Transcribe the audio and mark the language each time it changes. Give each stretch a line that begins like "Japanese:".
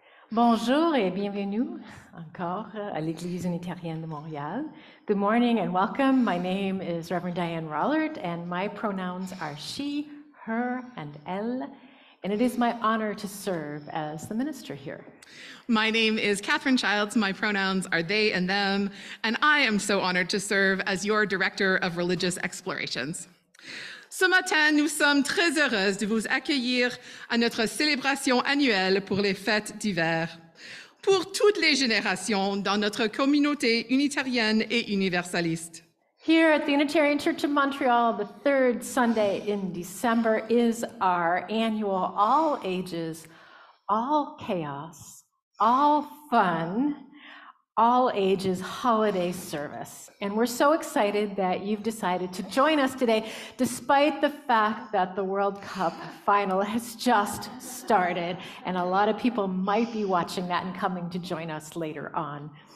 French: Bonjour et bienvenue encore à l'Église Unitarienne de Montréal.
English: Good morning and welcome. My name is Reverend Diane Rollard, and my pronouns are she, her, and elle. And it is my honor to serve as the minister here. My name is Catherine Childs. My pronouns are they and them. And I am so honored to serve as your director of religious explorations.
French: Ce matin, nous sommes très heureuses de vous accueillir à notre célébration annuelle pour les fêtes d'hiver. Pour toutes les générations dans notre communauté unitarienne et universaliste.
English: Here at the Unitarian Church of Montreal, the third Sunday in December is our annual all ages, all chaos, all fun, all ages holiday service. And we're so excited that you've decided to join us today, despite the fact that the World Cup final has just started and a lot of people might be watching that and coming to join us later on.